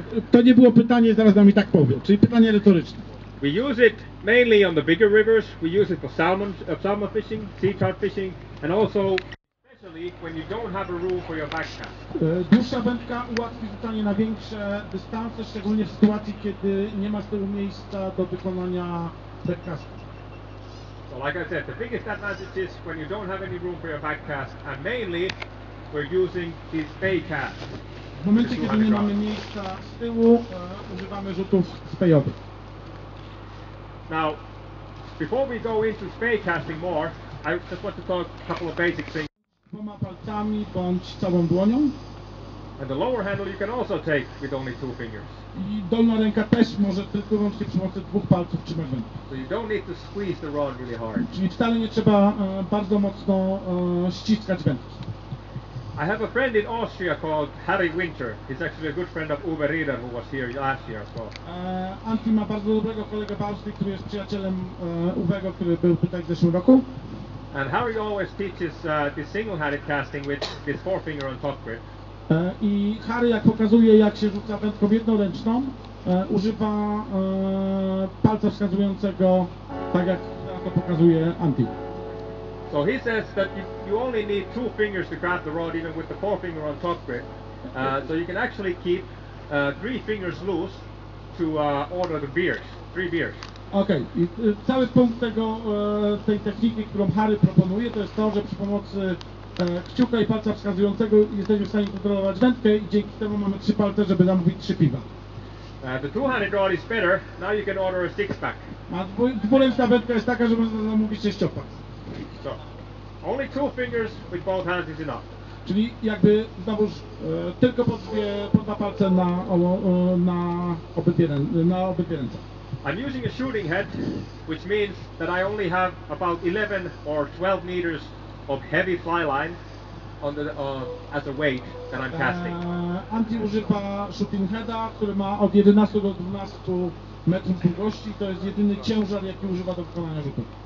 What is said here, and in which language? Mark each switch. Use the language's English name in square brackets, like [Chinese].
[Polish] To nie było pytanie, zaraz nam i tak powie. Czyli pytanie retoryczne. [English] We use it mainly on the bigger rivers. We use it for salmon fishing, sea trout fishing, and also especially when you don't have a rule for your back cast. [Polish] Dłuższa wędka ułatwi rzucanie na większe dystanse, szczególnie w sytuacji, kiedy nie ma z tyłu miejsca do wykonania back castu. [English] Like I said, the biggest advantage is when you don't have any room for your back cast, and mainly we're using these spay casts. [Polish] W momencie, kiedy nie mamy miejsca z tyłu, używamy rzutów spejowych. [English] Now, before we go into spay casting more, I just want to talk a couple of basic things. [Polish] Dwoma palcami bądź całą dłonią. [English] And the lower handle you can also take with only two fingers. [Polish] I dolna ręka też może tylko wyłącznie przy pomocy dwóch palców trzymać wędkę. [English] So you don't need to squeeze the rod really hard. [Polish] Czyli wcale nie trzeba bardzo mocno ściskać wędki. [English] I have a friend in Austria called Harry Winter. He's actually a good friend of Uwe Rieder, who was here last year as well. [Polish] Antti ma bardzo dobrego kolegę w Austrii, który jest przyjacielem Uwego, który był tutaj w zeszłym roku. [English] And Harry always teaches this single-handed casting with this forefinger on top grip. [Polish] I Harry, jak pokazuje, jak się rzuca wędką jednoręczną, używa palca wskazującego, tak jak to pokazuje Antti. [English] So he says that you only need two fingers to grab the rod, even with the forefinger on top grip. So you can actually keep three fingers loose to order the beers, three beers. [Polish] Okej, okay. I cały punkt tego, tej techniki, którą Harry proponuje, to jest to, że przy pomocy kciuka i palca wskazującego jesteśmy w stanie kontrolować wędkę i dzięki temu mamy trzy palce, żeby zamówić trzy piwa. [English] The two-handed rod is better, now you can order a six-pack. [Polish] A dwuręczna wędka jest taka, że można zamówić sześciopak. [English] So, Only two fingers with both hands is enough. [Polish] Czyli jakby znowuż tylko po dwie, po dwa palce na obydwie ręce. [English] I'm using a shooting head, which means that I only have about 11 or 12 meters of heavy fly line on the as a weight that I'm casting. [Polish] Andy używa shooting heada, który ma od 11 do 12 metrów długości. To jest jedyny ciężar, jaki używa do wykonania rzutu.